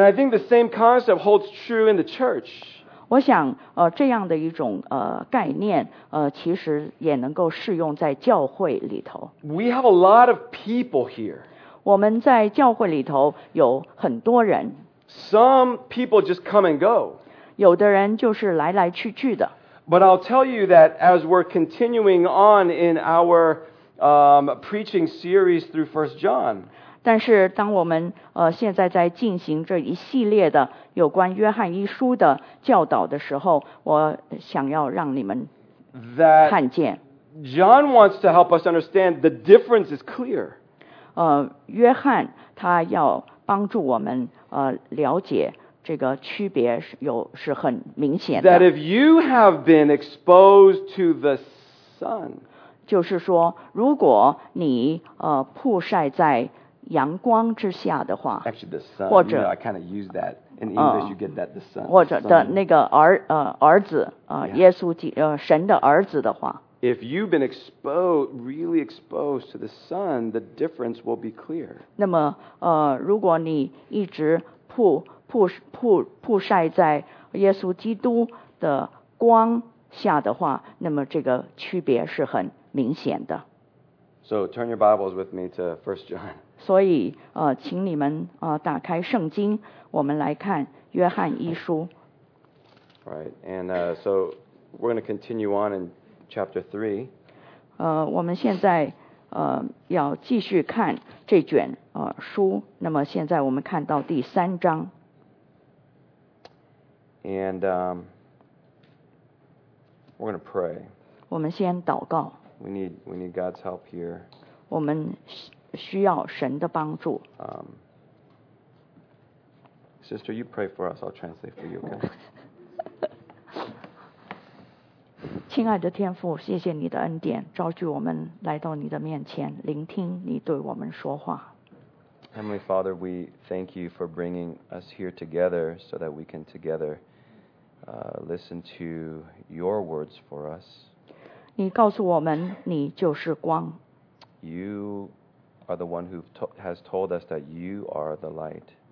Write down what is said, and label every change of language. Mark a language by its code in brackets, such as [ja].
[en] And I think the same concept holds true in the church. [zh] 我想这样的一种概念其实也能够适用在教会里头。 [en] We have a lot of people here. [zh] 我们在教会里头有很多人。 [en] Some people just come and go. [zh] 有的人就是来来去去的。 [en] But I'll tell you that as we're continuing on in our preaching series through 1 John, [zh] 但是当我们现在在进行这一系列的有关约翰一书的教导的时候，我想要让你们看见。 [en] John wants to help us understand the difference is clear. [zh] 约翰他要帮助我们了解这个区别是很明显的。 [en] That if you have been exposed to the sun, [zh] 就是说如果你曝晒在阳光之下的话 [en] Actually, the sun, [zh] 或者 [en] you know, I kind of use that in English you get that the sun [zh] 或者的那个儿子耶稣基神的儿子的话 [en] If you've been exposed really exposed to the sun the difference will be clear [zh] 那么如果你一直曝晒在耶稣基督的光下的话那么这个区别是很明显的 [en] So turn your Bibles with me to 1 John [zh] 所以请你们打开圣经我们来看约翰一书 [en] Right, and so we're going to continue on in chapter 3 [zh] 我们现在要继续看这卷书那么现在我们看到第三章 [en] And we're going to pray [zh] 我们先祷告 [en] We need God's help here [zh] 我们需要神的帮助。 [en] Sister, you pray for us. I'll translate for you, okay? [zh] 亲爱的天父，谢谢你的恩典，召聚我们来到你的面前，聆听你对我们说话。 [en] Heavenly Father, we thank you for bringing us here together so that we can together listen to your words for us. [zh] 你告诉我们，你就是光。 [en] You are the one who has told us that you are the light.